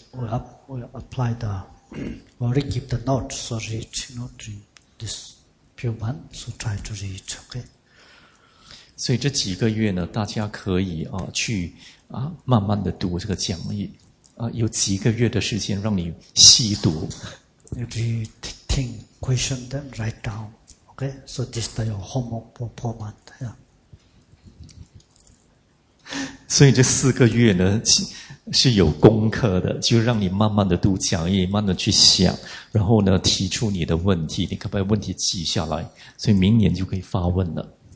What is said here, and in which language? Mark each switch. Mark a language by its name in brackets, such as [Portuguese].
[English] So, we'll apply the, we'll give the notes, so read, you know, during this few months, so try to read, okay? [Chinese] 所以这几个月呢，大家可以啊去啊慢慢的读这个讲义，啊有几个月的时间让你细读。 [English] If you think question, then write down, okay? So this is your homework for 4 months, yeah. [Chinese] 所以这四个月呢，是有功课的，就让你慢慢的读讲义，慢慢的去想，然后呢提出你的问题，你可不可以问题记下来，所以明年就可以发问了。